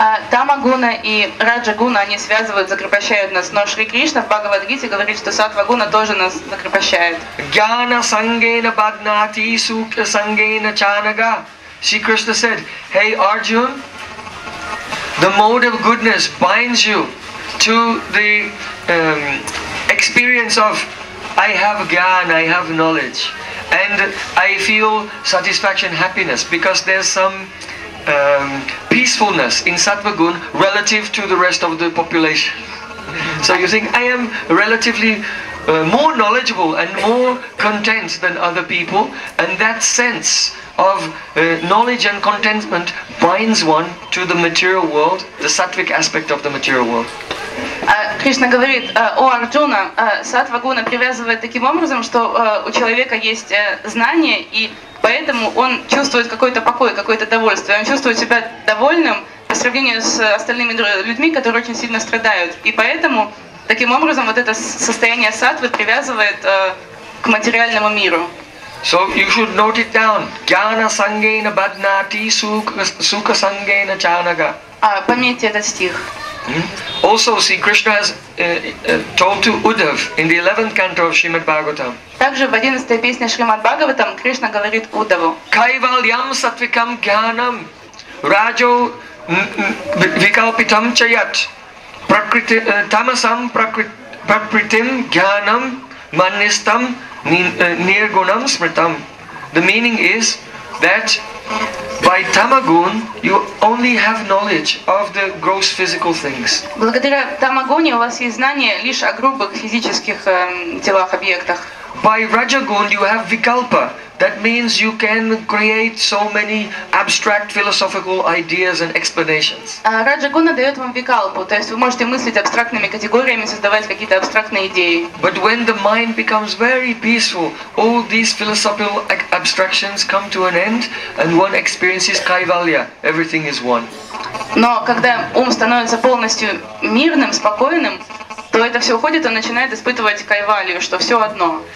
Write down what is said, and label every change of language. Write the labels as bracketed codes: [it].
[ru] Тама-гуна и раджа-гуна, они связывают, закрепощают нас. Но Шри Кришна в Бхагавад-гите говорит, что сатва-гуна тоже нас закрепощает. [sa] Гьяна сангена баднати сукья сангена чанага. [en] Шри Кришна said, hey Arjun, the mode of goodness binds you to the experience of I have gyan, I have knowledge. And I feel satisfaction, happiness, because there's some peacefulness in Sattvagun relative to the rest of the population. So you think, I am relatively more knowledgeable and more content than other people, and that sense of knowledge and contentment binds one to the material world, the sattvic aspect of the material world. [ru] Кришна говорит о Арджуне, сатва-гуна привязывает таким образом, что у человека есть знание, и поэтому он чувствует какой-то покой, какое-то довольствие. Он чувствует себя довольным по сравнению с остальными людьми, которые очень сильно страдают. И поэтому, таким образом, вот это состояние сатвы привязывает к материальному миру. [en] So you should note it down. [sa] Jnana sangena badnati sukha sangena chanaga. [ru] Пометьте этот стих. [en] Also, see, Krishna has told to Uddhav in the 11th canto of Shrimad Bhagavatam. [ru] Также в 11-й песне Шримад Бхагаватам Кришна говорит Уддаву. [sa] Kaivalyam sattvikam jnanam rajo vikalpitam chayat prakriti tamasam prakritim jnanam manistam nirgunam smritam. [en] The meaning is that by tamagun you only have knowledge of the gross physical things. [ru] Благодаря тамагуне у вас есть знание лишь о грубых физических телах, объектах. [en] By rajagun you have vikalpa. That means you can create so many abstract philosophical ideas and explanations. [ru] Раджагуна дает вам викалпу, то есть вы можете мыслить абстрактными категориями, создавать какие-то абстрактные идеи. [en] But when the mind becomes very peaceful, all these philosophical abstractions come to an end, and one experiences кайвалья, everything is one. [ru] Но когда ум становится полностью мирным, спокойным, то это все уходит, он начинает испытывать кайвалью, что все одно.